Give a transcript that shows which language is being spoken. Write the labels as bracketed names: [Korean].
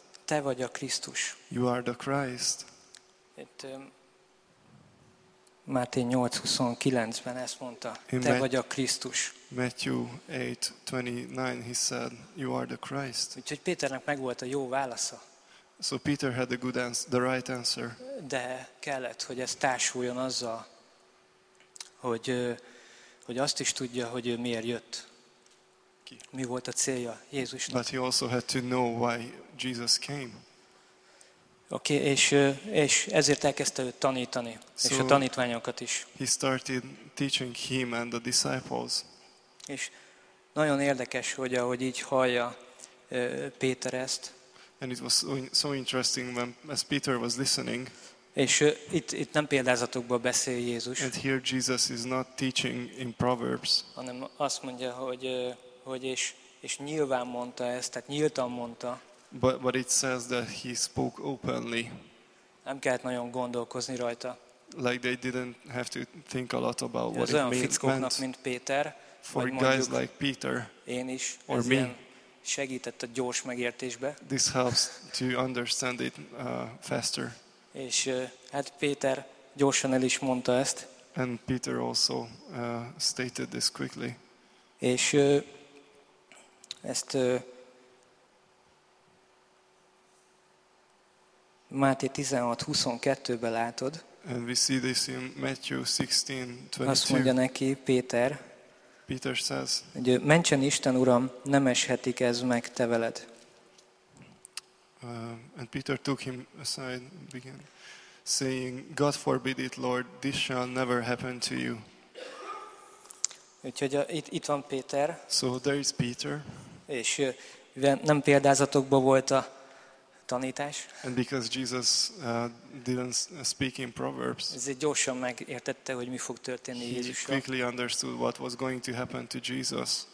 [Hungarian] Te vagy a Krisztus. [English] You are the Christ. [Hungarian] Itt Máté 8:29-ben ezt mondta. Te vagy a Krisztus. [English] Matthew 8:29 he said, you are the Christ. [Hungarian] Úgyhogy Péternek megvolt a jó válasza. [English] So Peter had a good answer, the right answer. [Hungarian] De kellett, hogy ez társuljon azzal, hogy azt is tudja, hogy ő miért jött. Ki? Mi volt a célja Jézusnak. [English] But he also had to know why Jesus came. [Hungarian] Okay, és ezért elkezdte őt tanítani, so és a tanítványokat is. [English] He started teaching him and the disciples. [Hungarian] És nagyon érdekes, hogy ahogy így hallja Péter ezt. [English] And it was so interesting when, as Peter was listening. [Hungarian] És itt nem példázatokból beszél Jézus. [English] And here Jesus is not teaching in proverbs. [Hungarian] Hanem azt mondja, hogy és nyilván mondta ezt, tehát nyíltan mondta. [English] But it says that he spoke openly. [Hungarian] Nem kellett nagyon gondolkozni rajta. [English] Like they didn't have to think a lot about what it meant. [Hungarian] Az olyan fickóknak, mint Péter. [English] For guys like Peter. [Hungarian] Én is. [English] Or me. [Hungarian] Segített a gyors megértésbe. [English] This helps to understand it faster. [Hungarian] És hát Péter gyorsan el is mondta ezt. [English] And Peter also stated this quickly. [Hungarian] És ezt Máté 16:22-ben látod. [English] And we see this in Matthew 16:22. [Hungarian] Azt mondja neki Péter. [English] Peter says, [Hungarian] hogy mentsen Isten Uram, nem eshetik ez meg te veled. [English] And Peter took him aside and began saying, God forbid it, Lord, this shall never happen to you. [Hungarian] Úgyhogy itt van Péter. [English] So there is Peter. [Hungarian] És nem példázatokban volt a tanítás. [English] And because Jesus didn't speak in proverbs. [Hungarian] Ezért gyorsan megértette, hogy mi fog történni Jézussal. [English] He quickly understood what was going to happen to Jesus.